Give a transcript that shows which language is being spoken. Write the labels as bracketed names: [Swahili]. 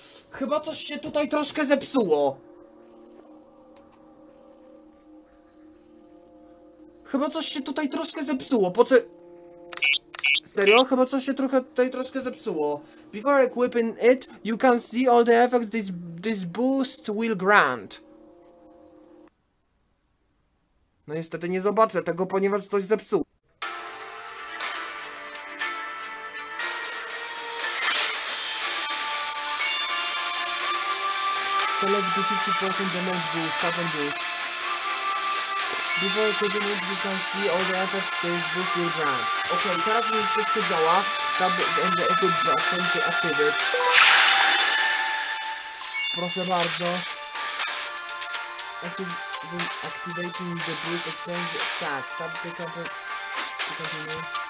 [Polish] Chyba coś się tutaj troszkę zepsuło. Chyba coś się tutaj troszkę zepsuło, po co... Serio? Chyba coś się trochę tutaj troszkę zepsuło. [English] Before equipping it, you can see all the effects this boost will grant. [Polish] No niestety nie zobaczę tego, ponieważ coś zepsuł. [English] Select the 50% damage boost, weapon boost. Before equipping it, you can see all the effects this boost will grant. [Polish] Okej, teraz już wszystko działa. [English] Tab and equip button to activate. [Polish] Proszę bardzo. [English] Activating the boost exchange stats. Tab to continue.